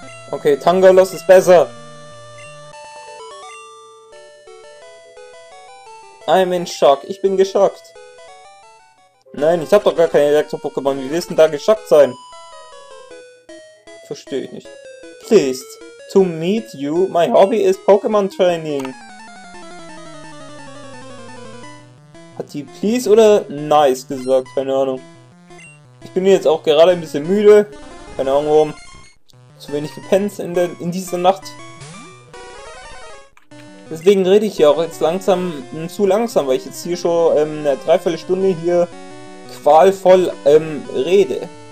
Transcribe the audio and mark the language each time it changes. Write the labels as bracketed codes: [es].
[de] Okay, Tangalos ist besser! [en] I'm in shock. [de] Ich bin geschockt. Nein, ich hab doch gar keine Elektro-Pokémon. Wie willst du denn da geschockt sein? Verstehe ich nicht. [en] Please, to meet you, my hobby is Pokémon Training. [de] Hat die please oder nice gesagt? Keine Ahnung. Ich bin jetzt auch gerade ein bisschen müde. Keine Ahnung warum. Zu wenig gepennt in dieser Nacht. Deswegen rede ich ja auch jetzt langsam, zu langsam, weil ich jetzt hier schon eine Dreiviertelstunde hier qualvoll rede.